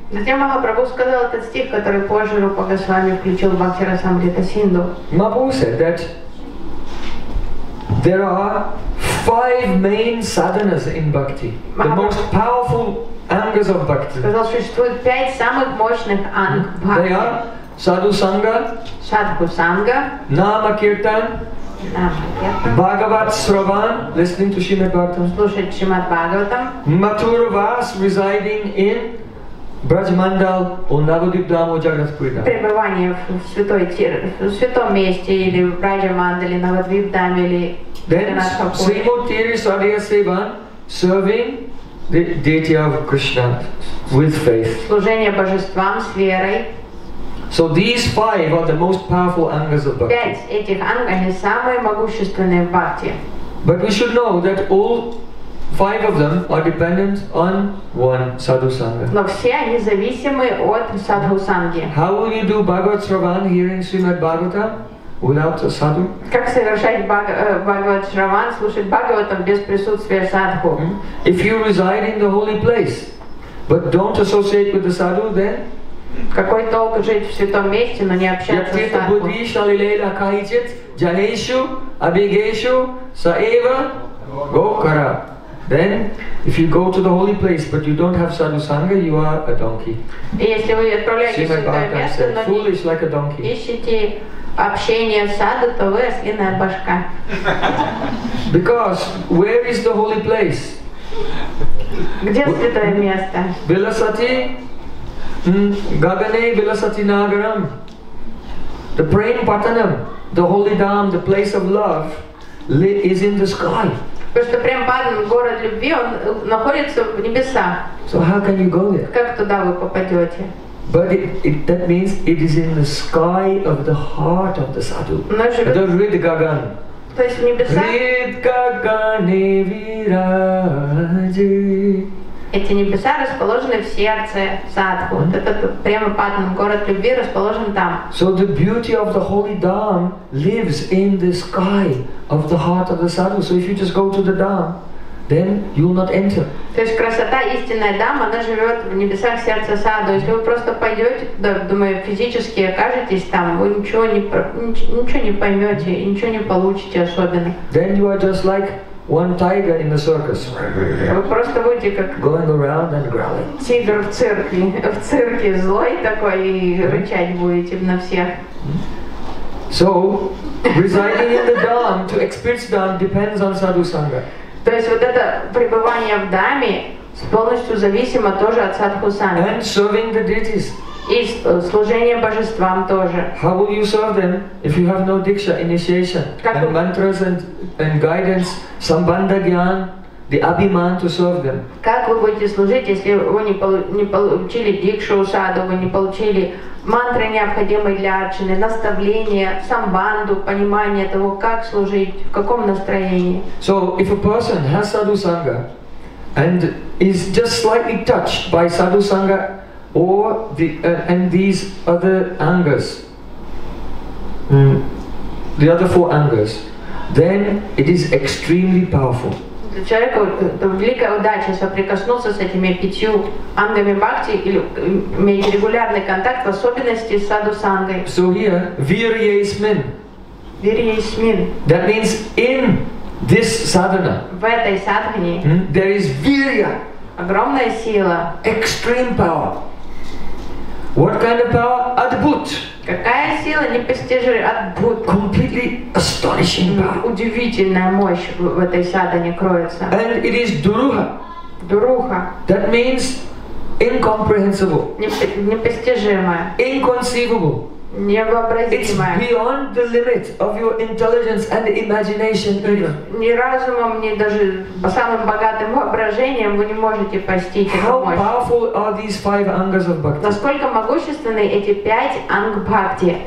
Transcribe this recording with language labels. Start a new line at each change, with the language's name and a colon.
Russian: Затем Махапрабху сказал этот стих, который позже Рупа Госвами включил в Бхакти Расамрита Синдху.
English: Махапрабху said that there are five main sadhanas in Bhakti. The most powerful angas of Bhakti.
Russian: Сказал, что существует пять самых мощных анг Бхакти.
English: They are Sadhu Sangha, Sadhu Sangha, Nama Kirtan, Bhagavat Sravan, listening to Srimad Bhagavatam,
Russian: слушать Srimad Bhagavatam,
English: Mathura Vas, residing in Brajmandal, or Navadvip Dhamo Jagratpurida.
Russian: Пребывание в святой в святом месте или в Брадмандале, Навадвип Дхаме или.
English: Then Srimad Tirthasadhya Sevan, serving Deity of Krishna with faith.
Russian: Служение божествам с верой.
English: So these five are the most powerful angas of bhakti.
Russian: Пять этих анг они самые могущественные в бхакти.
English: But we should know that all five of them are dependent on one sadhu sangha.
Russian: Но все они зависимы от садху санги.
English: How will you do Bhagavad Shravan hearing Srimad Bhagavatam without a sadhu?
Russian: Как совершать Бхагавад Шраван, слушать Бхагаватам без присутствия садху?
English: If you reside in the holy place, but don't associate with the sadhu, then
Russian: какой толк жить в святом месте, но не общаться с садху?
Sanskrit: Я тебе буди шалила кайчет джанешу абигешу саева гокара.
English: Then, if you go to the holy place but you don't have sadhu sangha, you are a donkey.
Russian: Если вы отправляетесь в святое место, но не ищете общение с садху, то вы ослиная башка.
English: Because where is the holy place?
Russian: Где святое место?
Sanskrit: Виласати. Gagane Vilasati Nagaram,
English: the Prem Patanam, the holy dham, the place of love, is in the sky.
Russian: Потому что Прем Патанам, город любви, он находится в небесах.
English: So how can you go there?
Russian: Как туда вы попадете?
English: But that means it is in the sky of the heart of the sadhu.
Russian: Но
Sanskrit: Рид Гаган.
Russian: То есть в небесах.
Sanskrit: Рид Гагане Вираджи.
Russian: Эти небеса расположены в сердце садху. Вот этот прямо Патнам, город любви, расположен там.
English: So the beauty of the holy dham lives in the sky of the heart of the sadhu. So if you just go to the dham, then you'll not enter.
Russian: То есть красота истинная дам, она живет в небесах сердца садху. Если вы просто пойдете туда, думаю, физически окажетесь там, вы ничего не поймете, ничего не получите особенно.
English: Then you are just like one tiger in the circus.
Russian: Вы просто будете как
English: going around and growling.
Russian: Тигр в цирке. В цирке злой такой и рычать будете на всех.
English: So residing in the dham to experience dham depends on sadhu sangha.
Russian: То есть вот это пребывание в дхаме полностью зависимо тоже от садху санги.
English: And serving the deities.
Russian: И служение божествам тоже.
English: How will you serve them if you have no diksha initiation and mantras and guidance, sambandha gyan, the abhiman to serve them?
Russian: Как вы будете служить, если вы не получили дикшу саду, вы не получили мантры, необходимые для арчаны, наставления, самбанду, понимание того, как служить, в каком настроении?
English: So if a person has sadhu sangha and is just slightly touched by sadhu sangha or the and these other angas, the other four angas, then it is extremely powerful.
Russian: Человеку великая удача соприкоснуться с этими пятью ангами бхакти или иметь регулярный контакт, в особенности с саду сангой.
English: So here,
Sanskrit: вирьейсмин. Вирьейсмин.
English: That means in this sadhana.
Russian: В этой садхане.
English: There is virya.
Russian: Огромная сила.
English: Extreme power. What kind of power? Adbhut.
Russian: Какая сила непостижимая?
Sanskrit: Adbhut.
English: Completely astonishing power.
Russian: Удивительная мощь в этой садхане кроется.
English: And it is duruha.
Sanskrit: Duruha.
English: That means incomprehensible.
Russian: Непостижимая.
English: Inconceivable.
Russian: Невообразимая.
English: It's beyond the limit of your intelligence and imagination even.
Russian: Ни разумом, ни даже самым богатым воображением вы не можете постичь эту мощь.
English: How powerful are these five angas of bhakti?
Russian: Насколько могущественны эти пять анг бхакти?